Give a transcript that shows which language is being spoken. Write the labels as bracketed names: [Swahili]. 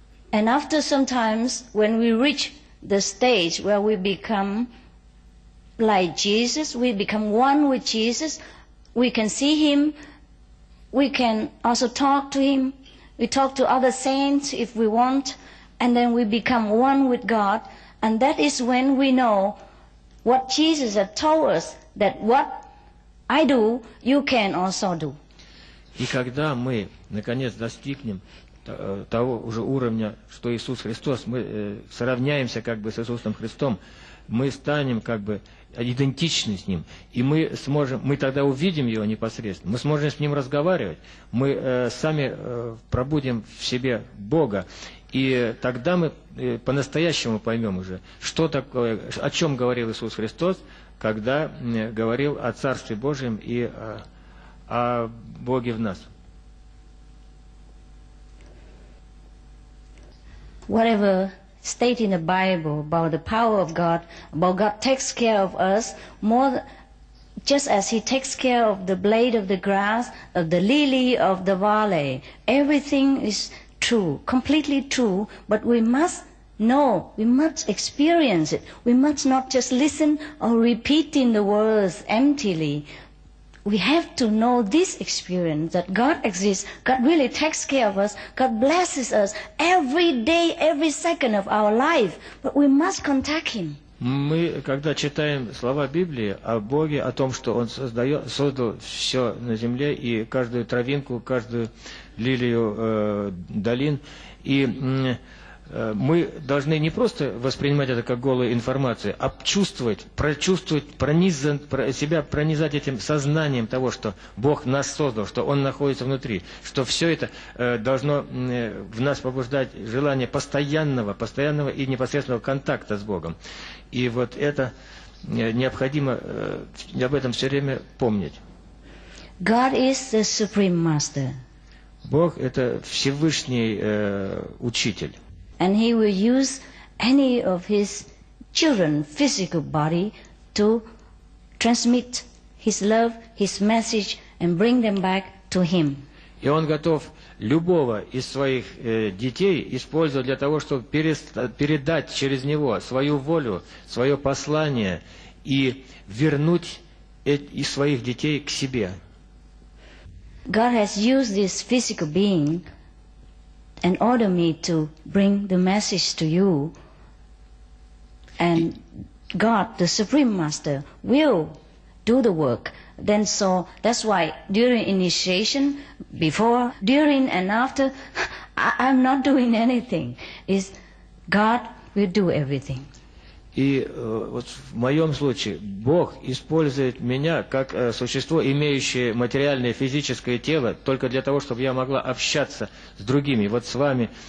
[English] And after sometimes, when we reach the stage where we become like Jesus, we become one with Jesus, we can see Him, we can also talk to Him, we talk to other saints if we want, and then we become one with God. And that is when we know what Jesus had told us, that what I do, you can also do. [Russian] И когда мы, наконец, достигнем того уже уровня, что Иисус Христос, мы сравняемся как бы с Иисусом Христом, мы станем как бы идентичны с Ним, и мы сможем, мы тогда увидим Его непосредственно, мы сможем с Ним разговаривать, мы сами пробудим в себе Бога, и тогда мы по-настоящему поймем уже, что такое, о чем говорил Иисус Христос, когда говорил о Царстве Божьем и о Боге в нас. [English] Whatever state in the Bible about the power of God, about God takes care of us more, just as He takes care of the blade of the grass, of the lily of the valley. Everything is true, completely true, but we must know, we must experience it. We must not just listen or repeat in the words emptily. We have to know this experience, that God exists, God really takes care of us, God blesses us every day, every second of our life, but we must contact Him. [Russian] Мы, когда читаем слова Библии о Боге, о том, что Он создал все на земле, и каждую травинку, каждую лилию долин, и мы должны не просто воспринимать это как голую информацию, а прочувствовать, себя пронизать этим сознанием того, что Бог нас создал, что Он находится внутри, что все это должно в нас побуждать желание постоянного и непосредственного контакта с Богом. И вот это необходимо об этом все время помнить. [English] God is the Supreme Master. [Russian] Бог – это Всевышний Учитель. [English] And He will use any of His children's physical body to transmit His love, His message, and bring them back to Him. [Russian] И Он готов любого из своих детей использовать для того, чтобы передать через него свою волю, свое послание и вернуть из своих детей к себе. [English] God has used this physical being and order me to bring the message to you, and God, the Supreme Master, will do the work. Then so, that's why during initiation, before, during and after, I'm not doing anything. It's God will do everything. [Russian] И вот в моем случае Бог использует меня как существо, имеющее материальное физическое тело, только для того, чтобы я могла общаться с другими, вот с вами.